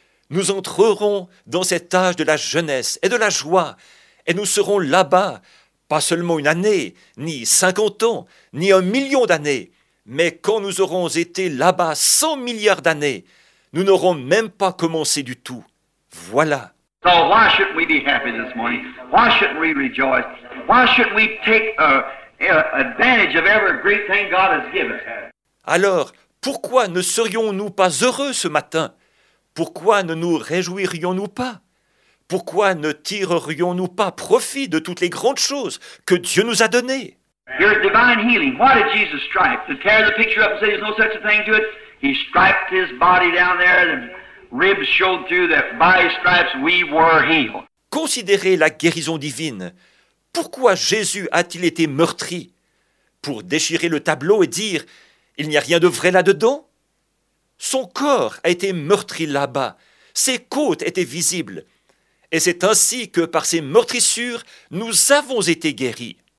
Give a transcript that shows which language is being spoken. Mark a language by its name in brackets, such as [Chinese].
[French] Nous entrerons dans cet âge de la jeunesse et de la joie. Et nous serons là-bas, pas seulement une année, ni 50 ans, ni 1 million d'années. Mais quand nous aurons été là-bas 100 milliards d'années, nous n'aurons même pas commencé du tout. Voilà. [English] So why shouldn't we be happy this morning? Why shouldn't we rejoice? Why shouldn't we take advantage of every great thing God has given us? [French] Alors, pourquoi ne serions-nous pas heureux ce matin? Pourquoi ne nous réjouirions-nous pas? Pourquoi ne tirerions-nous pas profit de toutes les grandes choses que Dieu nous a données? [English] Your divine healing. Why did Jesus strike? To tear the picture up and say there's no such a thing to it? He striped his body down there and ribs showed through that by his stripes we were healed. [French] Considérez la guérison divine. Pourquoi Jésus a-t-il été meurtri? Pour déchirer le tableau et dire « Il n'y a rien de vrai là-dedans » Son corps a été meurtri là-bas. Ses côtes étaient visibles. Et c'est ainsi que par ces meurtrissures, nous avons été guéris.